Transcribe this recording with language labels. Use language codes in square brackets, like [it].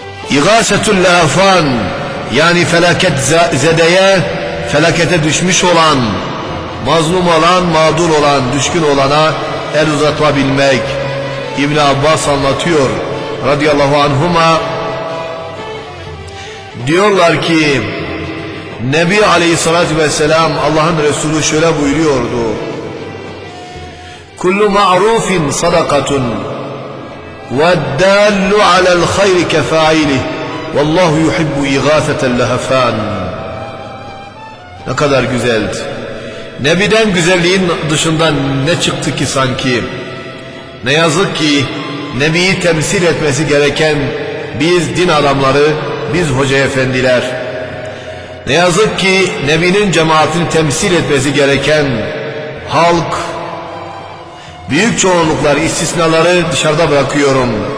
[tr] İgâsetül lehefan, yani felaket zedeye, felakete düşmüş olan, mazlum olan, mağdur olan, düşkün olana el uzatabilmek. İbn Abbas anlatıyor radıyallahu anhuma, diyorlar ki Nebi Aleyhissalatu vesselam Allah'ın Resulü şöyle buyuruyordu: [ar] كل معروف صدقة، والدال على الخير كفاعله، والله يحب إغاثة اللهفان. [tr] Ne kadar güzeldi. Nebiden güzelliğin dışında ne çıktı ki sanki? Ne yazık ki Nebi'yi temsil etmesi gereken biz din adamları, biz hoca efendiler. Ne yazık ki Nebi'nin cemaatini temsil etmesi gereken halk, büyük çoğunluklar, istisnaları dışarıda bırakıyorum.